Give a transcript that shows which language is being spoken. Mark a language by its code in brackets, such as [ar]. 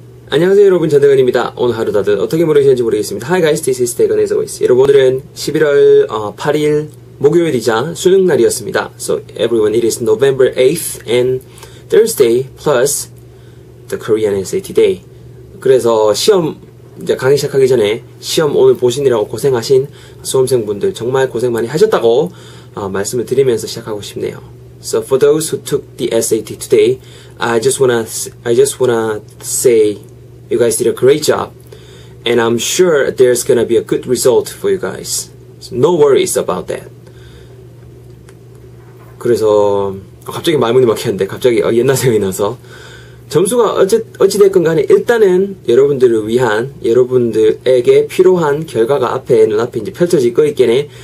[ko] 안녕하세요 여러분, 전대건입니다. 오늘 하루 다들 어떻게 보내셨는지 모르겠습니다. [en] Hi guys, this is 대건 as always. [ko] 여러분, 오늘은 11월 8일 목요일이자 수능날이었습니다. [en] So everyone, it is November 8th and Thursday plus the Korean SAT day. [ko] 그래서 시험, 이제 강의 시작하기 전에 시험 오늘 보시느라고 고생하신 수험생분들 정말 고생 많이 하셨다고 말씀을 드리면서 시작하고 싶네요. [en] So for those who took the SAT today, I just wanna say you guys did a great job, and I'm sure there's gonna be a good result for you guys. So no worries about that. [ko] 그래서 갑자기 말문이 막혔는데 갑자기 옛날 생각이 나서 점수가 어찌 됐건 간에 일단은 여러분들을 위한 여러분들에게 필요한 결과가 앞에 눈앞에 이제 펼쳐질 거 있겠네.